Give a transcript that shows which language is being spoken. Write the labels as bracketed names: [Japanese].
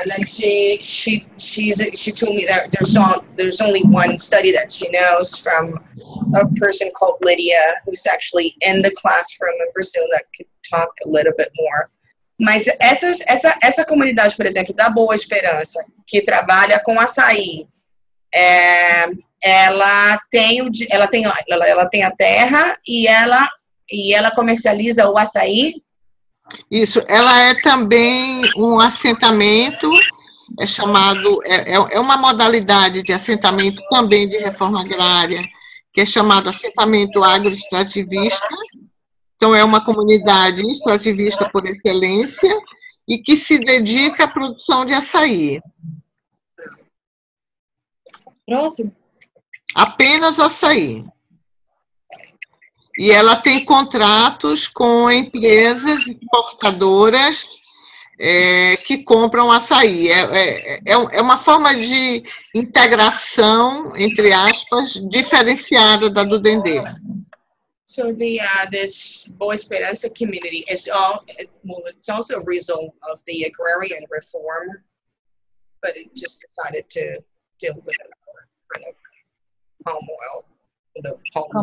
[English] and then she told me that there's only one study that she knows from a person called Lydia, who's actually in the classroom in Brazil, that could talk a little bit more. [Portuguese] Mas essa comunidade, por exemplo, da Boa Esperança, que trabalha com açaí, ela tem a terra e ela comercializa o açaí. Isso, ela é também um assentamento, é chamado, é uma modalidade de assentamento também de reforma agrária, que é chamado assentamento agroextrativista. Então, é uma comunidade extrativista por excelência e que se dedica à produção de açaí. Próximo. Apenas açaí. E ela tem contratos com empresas exportadoras que compram açaí. É uma forma de integração, entre aspas, diferenciada da do Dendê. [English] So this Boa Esperança community is it's also a result of the agrarian reform, but it just decided to deal with another kind of palm oil.